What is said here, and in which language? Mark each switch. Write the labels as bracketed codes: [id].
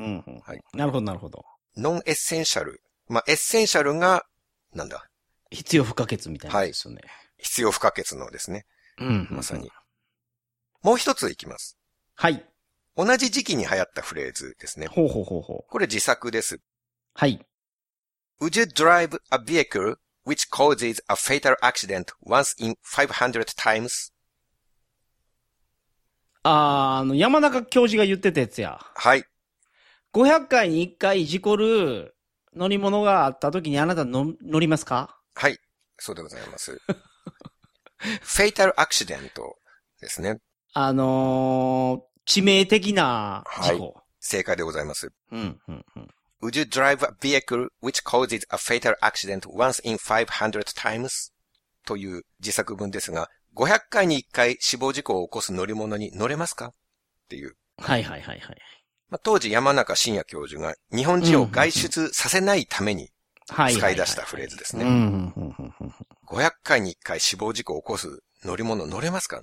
[ja] はい。なるほど、なるほど。ノンエッセンシャル。まあ、エッセンシャルが、なんだ。必要不可欠みたいな。はい。ですよね、はい。必要不可欠のですね。まさに。もう一ついきます。はい。同じ時期に流行ったフレーズですね。ほうほうほうほう。これ自作です。はい。 [en] Would you drive a vehicle which causes a fatal accident once in 500 times? [ja] あの、山中教授が言ってたやつや。はい。 500回に1回事故る乗り物があった時にあなた乗りますか? はい。そうでございます。 [en] fatal accident [ja] ですね。致命的な事故、はい。正解でございます。うん、うん、うん。 [en] Would you drive a vehicle which causes a fatal accident once in 500 times? [ja] という自作文ですが、500回に1回死亡事故を起こす乗り物に乗れますか? っていう。はいはいはいはい。まあ、当時山中伸弥教授が日本人を外出させないために使い出したフレーズですね。 500回に1回死亡事故を起こす乗り物乗れますか?